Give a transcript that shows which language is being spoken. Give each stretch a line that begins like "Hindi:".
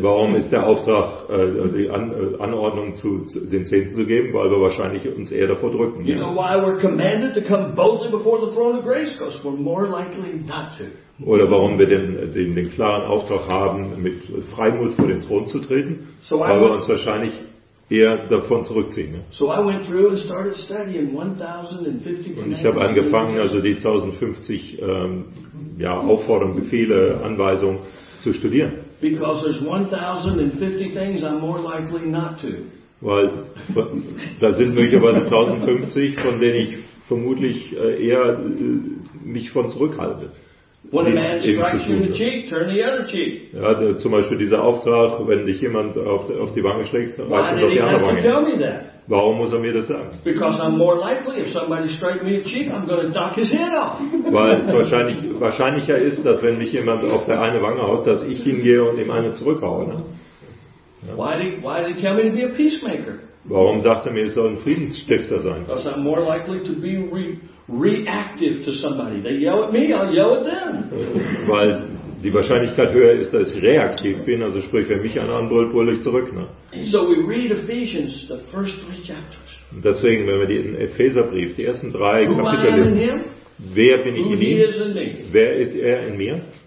German: Warum ist der Auftrag, die Anordnung zu den Zehnten zu geben? Weil wir wahrscheinlich uns eher davor drücken.
English: You know why we're commanded to come boldly before the throne of grace? Because we're more likely not to.
German: Oder warum wir den klaren Auftrag haben, mit Freimut vor den Thron zu treten, so weil wir uns wahrscheinlich eher davon zurückziehen.
English: So I went through and started studying 1,050.
German: Und ich habe angefangen, also die 1,050 Aufforderungen, Befehle, Anweisungen zu studieren.
English: Because there's 1,050 things I'm more likely not to.
German: Weil da sind möglicherweise 1,050, von denen ich vermutlich eher mich von zurückhalte.
English: One man strikes you in the cheek, turn the other cheek.
German: Ja, zum Beispiel dieser Auftrag, wenn dich jemand auf die Wange schlägt, reicht ihm doch die andere Wange. Warum muss er mir das sagen?
English: Because I'm more likely, if somebody strikes me in the cheek, I'm going to duck his head off.
German: Weil es wahrscheinlicher ist, dass wenn mich jemand auf der eine Wange haut, dass ich hingehe und ihm eine zurückhaue. Ne?
English: Why did he tell me to be a peacemaker?
German: Warum sagt er mir, ich soll ein Friedensstifter sein?
English: Because I'm more likely to be reactive to somebody. They yell at me, I'll yell at them.
German: Weil die Wahrscheinlichkeit höher ist, dass ich reaktiv bin, also sprich, wenn mich einer anbrüllt, brülle ich zurück. Ne?
English: So we read Ephesians, the first three chapters.
German: Deswegen, wenn wir den Epheserbrief, die ersten drei Kapitel lesen, wer bin ich in ihm? Wer ist er in mir?